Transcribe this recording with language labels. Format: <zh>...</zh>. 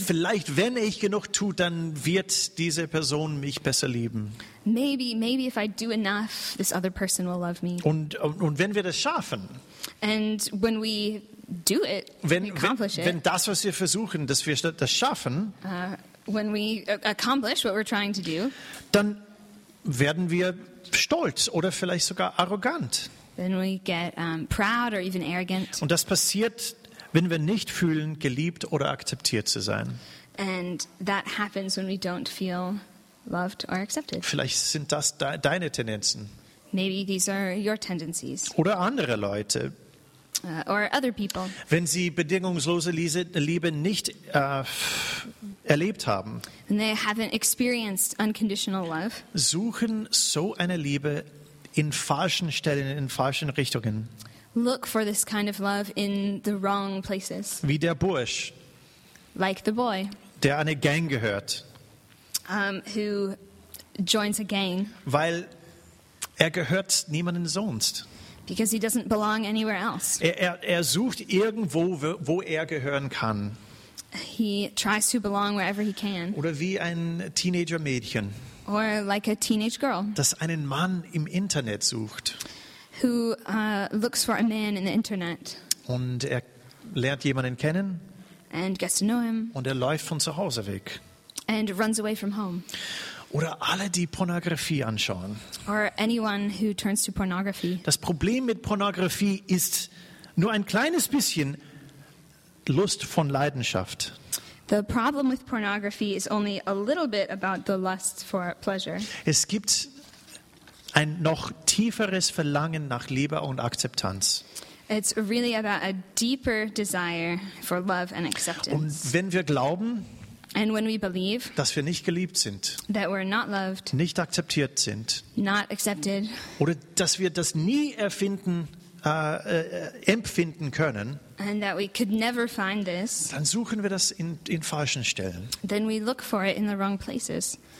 <de>Vielleicht, wenn ich genug tue, dann wird diese Person mich besser lieben.</de> <en>Maybe if I do enough, this other person will love me.</en> <de>Und wenn wir das schaffen.</de> <en>And when we do it,</en> <de>wenn,</de> <en>we accomplish wenn, it.</en> <de>Wenn das, was wir versuchen, dass wir das schaffen.</de> <en>When we accomplish what we're trying to do.</en> <de>Dann werden wir stolz oder vielleicht sogar arrogant.</de> <en>Then we get proud or even arrogant.</en> <de>Und das passiert, wenn wir nicht fühlen, geliebt oder akzeptiert zu sein.</de> <en>And that happens when we don't feel loved or accepted.</en> <de>Vielleicht sind das deine Tendenzen.</de> <en>Maybe these are your tendencies.</en> <de>Oder andere Leute.</de> <en>Or other people.</en> <de>Wenn sie bedingungslose Liebe nicht erlebt haben.</de> <en>And they haven't experienced unconditional love.</en> <de>Suchen so eine Liebe in falschen Stellen, in falschen Richtungen.</de> <en>Look for this kind of love in the wrong places.</en> <de>Wie der Bursch.</de> <en>Like the boy.</en> <de>Der eine Gang gehört.</de> <en>Who joins a gang.</en> <de>Weil er gehört niemandem sonst.</de> <en>Because he doesn't belong anywhere else.</en> <de>Er sucht irgendwo, wo er gehören kann.</de> <en>He tries to belong wherever he can.</en> <de>Oder wie ein Teenager-Mädchen.</de> <en>Or like a teenage girl.</en> <de>Das einen Mann im Internet sucht.</de> <en>Who looks for a man in the internet.</en> <de>Und er lernt jemanden kennen.</de> <en>And gets to know him.</en> <de>Und er läuft von zu Hause weg.</de> <en>And runs away from home.</en> <de>Oder alle, die Pornografie anschauen.</de> <en>Or anyone who turns to pornography.</en> <de>Das Problem mit Pornografie ist nur ein kleines bisschen Lust von Leidenschaft.</de> <en>The problem with pornography is only a little bit about the lust for pleasure.</en> <de>Es gibt ein noch tieferes Verlangen nach Liebe und Akzeptanz.</de> <en>It's really about a deeper desire for love and acceptance.</en> <de>Und wenn wir glauben,</de> <en>and when we believe,</en> <de>dass wir nicht geliebt sind,</de> <en>that we're not loved,</en> <de>nicht akzeptiert sind,</de> <en>not accepted,</en> <de>oder dass wir das nie erfinden, empfinden können,</de> <en>and that we could never find this,</en> <de>dann suchen wir das in falschen Stellen.</de> <en>Then we look for it in the wrong places.</en>